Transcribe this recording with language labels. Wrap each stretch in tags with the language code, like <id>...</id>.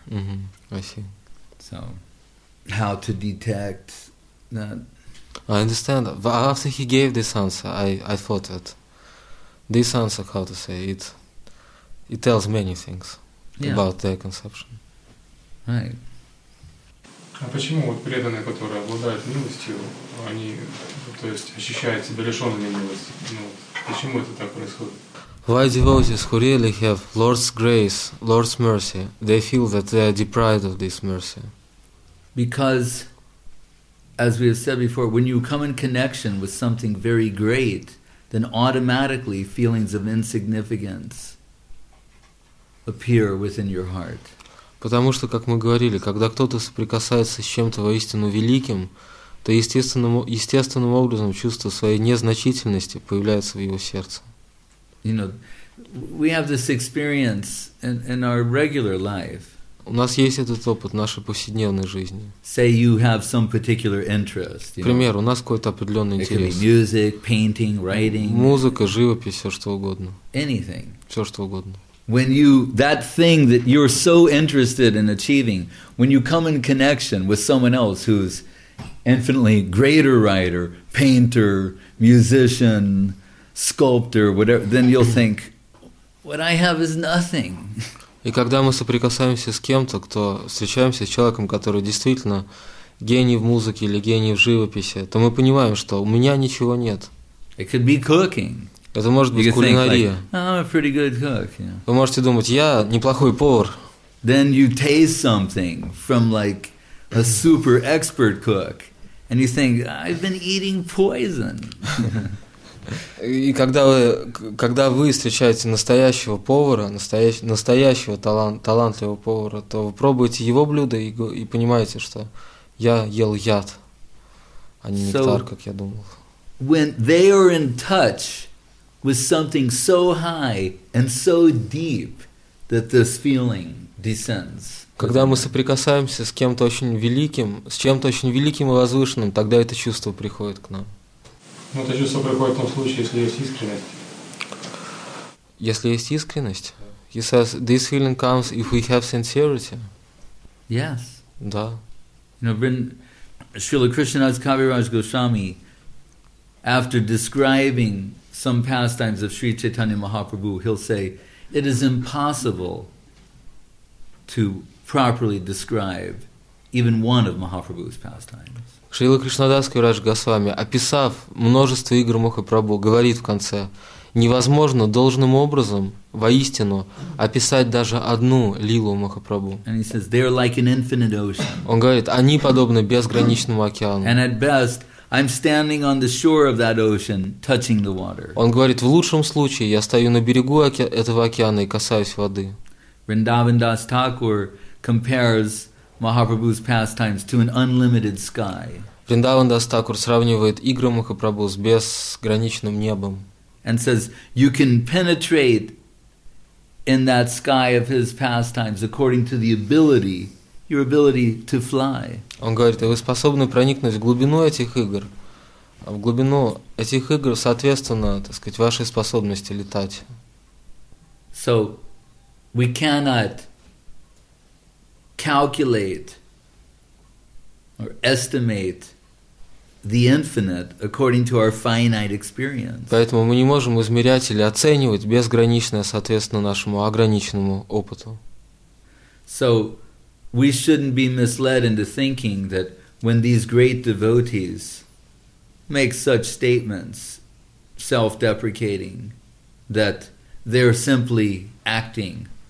<en>Mm-hmm. I see. So, how to detect that? I understand. But after he gave this answer, I thought that this answer, how to say it, it tells many things about their conception. Right.</en> <ru>А почему вот преданные, которые обладают милостью, они, то есть, ощущают себя лишёнными милости? Ну, почему это так происходит?</ru> <en>Why devotees who really have Lord's grace, Lord's mercy, they feel that they are deprived of this mercy? Because, as we have said before, when you come in connection with something very great, then automatically feelings of insignificance appear within your heart.</en> <ru>Потому что, как мы говорили, когда кто-то соприкасается с чем-то воистину великим, то естественным образом чувство своей незначительности появляется в его сердце.</ru> <en>You know, we have this experience in our regular life.</en> <ru>У нас есть этот опыт в нашей повседневной жизни.</ru> <en>Say you have some particular interest.</en> <ru>Например, у нас какой-то определенный интерес.</ru> <en>It can be music, painting, writing.</en> <ru>Музыка, живопись, все что угодно.</ru> <en>Anything.</en> <ru>Все что угодно.</ru> <en>When you that thing that you're so interested in achieving, when you come in connection with someone else who's infinitely greater writer, painter, musician, sculptor, whatever, then you'll think, what I have is nothing.</en> <ru>И когда мы соприкасаемся с кем-то, кто встречаемся с человеком, который действительно гений в музыке или гений в живописи, то мы понимаем, что у меня ничего нет.</ru> <en>It could be cooking.</en> <ru>Это может быть кулинария.</ru> <en>Like, I'm a pretty good cook, yeah.</en> <ru>Вы можете думать, я неплохой повар.</ru> <en>Then you taste something from like a super expert cook, and you think, I've been eating poison.</en> <ru>И когда вы встречаете настоящего повара, настоящего талантливого повара, то вы пробуете его блюдо и понимаете, что я ел яд, а не нектар, как я думал.</ru> <en>When they are in touch with something so high and so deep that this feeling descends.</en> <ru>Когда мы соприкасаемся с кем-то очень великим, с чем-то очень великим и возвышенным, тогда это чувство приходит к нам. Ну, это чувство приходит в том случае, если есть искренность. Если есть искренность?</ru> <en>He says, this feeling comes if we have sincerity. Yes.</en> <ru>Да.</ru> <en>You know, Srila Krishnadas Kaviraj Goswami, after describing some pastimes of Sri Chaitanya Mahaprabhu, he'll say, it is impossible to properly describe even one of Mahaprabhu's pastimes.</en> <ru>Шрила Кришнадас Кавираджа Госвами, описав множество игр Махапрабху, говорит в конце, невозможно должным образом, воистину, описать даже одну лилу Махапрабху.</ru> <en>And he says, they're like an infinite ocean.</en> <ru>Он говорит, они подобны безграничному океану.</ru> <en>And at best, I'm standing on the shore of that ocean, touching the water.</en> <ru>Он говорит, в лучшем случае я стою на берегу этого океана и касаюсь воды.</ru> <en>Vrindavan Das Thakur compares Mahaprabhu's pastimes to an unlimited sky.</en> <ru>Vrindavan Das Thakur сравнивает игры Махапрабху с безграничным небом.</ru> <en>And says, you can penetrate in that sky of his pastimes according to the ability, your ability to fly.</en> <ru>Он говорит, вы способны проникнуть в глубину этих игр, соответственно, так сказать, вашей способности летать.</ru> <en>So, we cannot calculate or estimate the infinite according to our finite experience.</en> <ru>Поэтому мы не можем измерять или оценивать безграничное, соответственно, нашему ограниченному опыту.</ru> <en>So, we shouldn't be misled into thinking that when these great devotees make such statements, self-deprecating, that they're simply acting</en>